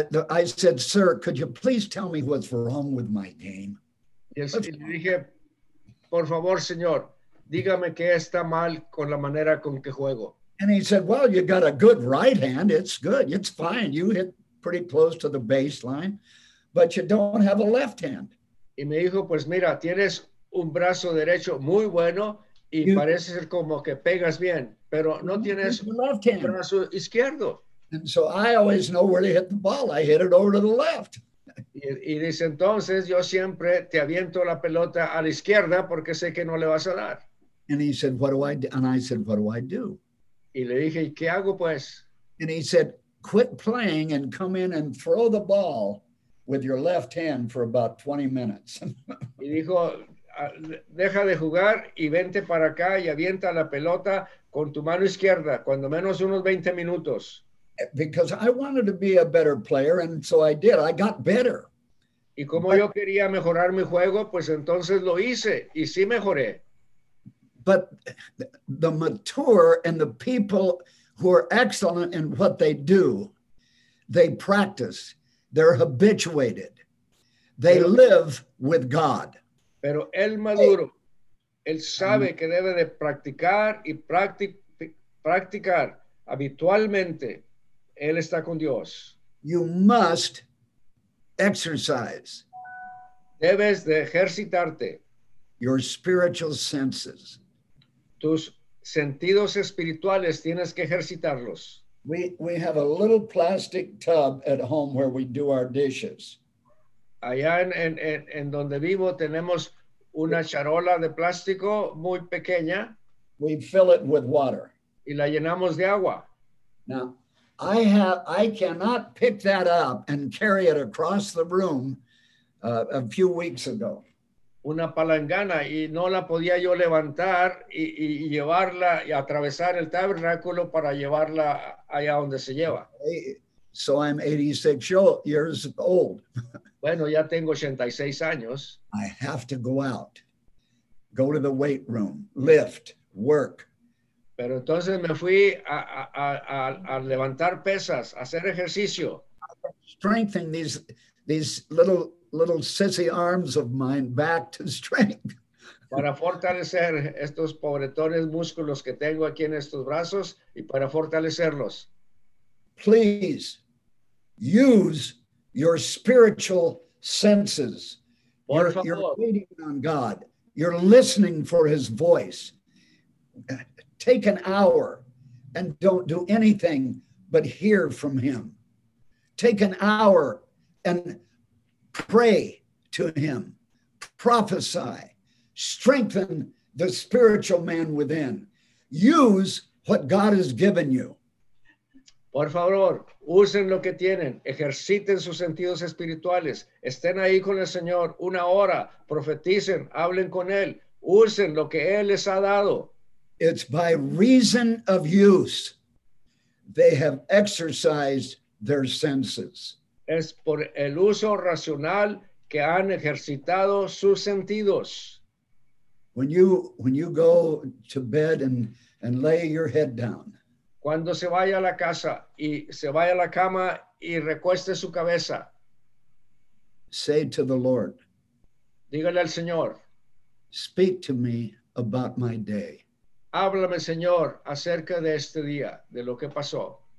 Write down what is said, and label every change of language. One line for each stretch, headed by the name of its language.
English: I said, sir, could you please tell me what's wrong with my game?
Spanish: Yes, le dije, por favor, señor, dígame qué está mal con la manera con que juego.
English: And he said, well, you got a good right hand. It's good. It's fine. You hit pretty close to the baseline, but you don't have a left hand.
Spanish: Y me dijo, pues mira, tienes un brazo derecho muy bueno y parece ser como que pegas bien. Pero no tienes un brazo izquierdo.
English: And so I always know where to hit the ball. I hit it over to the left.
Spanish: Y dice, entonces yo siempre te aviento la pelota a la izquierda porque sé que no le vas a dar.
English: And he said, what do I do? And I said, what do I do?
Spanish: Y le dije, ¿y qué hago pues?
English: And he said, quit playing and come in and throw the ball with your left hand for about 20 minutes.
Spanish: Y dijo, deja de jugar y vente para acá y avienta la pelota con tu mano izquierda, cuando menos unos 20 minutos.
English: Because I wanted to be a better player, and so I did. I got better.
Spanish: Y como yo quería mejorar mi juego, pues entonces lo hice, y sí mejoré.
English: But the mature and the people who are excellent in what they do, they practice, they're habituated, they live with God.
Spanish: Pero el maduro... Él sabe que debe de practicar y practicar habitualmente. Él está con Dios.
English: You must exercise.
Spanish: Debes de ejercitarte.
English: Your spiritual senses.
Spanish: Tus sentidos espirituales tienes que ejercitarlos.
English: We have a little plastic tub at home where we do our dishes.
Spanish: Allá en donde vivo tenemos una charola de plástico muy pequeña.
English: We fill it with water.
Spanish: Y la llenamos de agua.
English: Now, I cannot pick that up and carry it across the room a few weeks ago.
Spanish: Una palangana y no la podía yo levantar y llevarla y atravesar el tabernáculo para llevarla allá donde se lleva.
English: Okay. So I'm 86 years old.
Spanish: Bueno, ya tengo 86 años.
English: I have to go out, go to the weight room, lift, work.
Spanish: Pero entonces me fui a levantar pesas, hacer ejercicio.
English: Strengthen these little sissy arms of mine back to strength.
Spanish: Para fortalecer estos pobretones músculos que tengo aquí en estos brazos y para fortalecerlos.
English: Please use your spiritual senses. You're waiting on God. You're listening for his voice. Take an hour and don't do anything but hear from him. Take an hour and pray to him. Prophesy. Strengthen the spiritual man within. Use what God has given you.
Spanish: Por favor, usen lo que tienen, ejerciten sus sentidos espirituales, estén ahí con el Señor una hora, profeticen, hablen con Él, usen lo que Él les ha dado.
English: It's by reason of use, they have exercised their senses.
Spanish: Es por el uso racional que han ejercitado sus sentidos.
English: When you go to bed and lay your head down,
Spanish: cuando se vaya a la casa y se vaya a la cama y recueste su cabeza.
English: Say to the Lord.
Spanish: Dígale al Señor.
English: Speak to me about my day.
Spanish: Háblame, Señor, acerca de este día, de lo que pasó.